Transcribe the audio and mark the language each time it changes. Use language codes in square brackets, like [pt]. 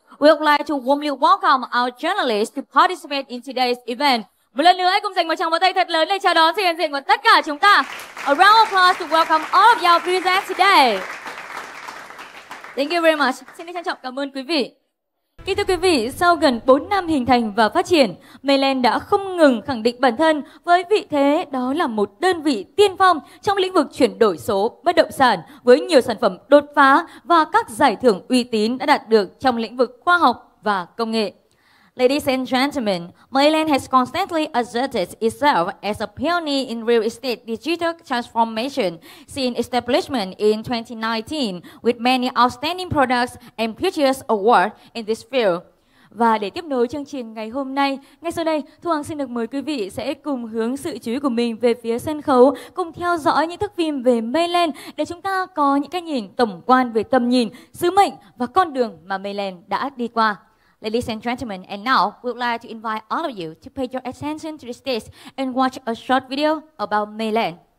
[en] We would like to warmly welcome our journalists to participate in today's event. [vi] Một lần nữa, hãy cùng dành một tràng vỗ tay thật lớn để chào đón sự hiện diện của tất cả chúng ta. [en] A round of applause to welcome all of y'all present today. Thank you very much. [vi] Xin trân trọng cảm ơn quý vị. Kính thưa quý vị, sau gần 4 năm hình thành và phát triển, Mellen đã không ngừng khẳng định bản thân với vị thế đó là một đơn vị tiên phong trong lĩnh vực chuyển đổi số bất động sản với nhiều sản phẩm đột phá và các giải thưởng uy tín đã đạt được trong lĩnh vực khoa học và công nghệ. [en] Ladies and gentlemen, Mellen has constantly asserted itself as a pioneer in real estate digital transformation since establishment in 2019 with many outstanding products and prestigious awards in this field. [vi] Và để tiếp nối chương trình ngày hôm nay, ngay sau đây, Thu Hằng xin được mời quý vị sẽ cùng hướng sự chú ý của mình về phía sân khấu, cùng theo dõi những thức phim về Mellen để chúng ta có những cái nhìn tổng quan về tầm nhìn, sứ mệnh và con đường mà Mellen đã đi qua. [en] Ladies and gentlemen, and now we would like to invite all of you to pay your attention to the stage and watch a short video about Mellen.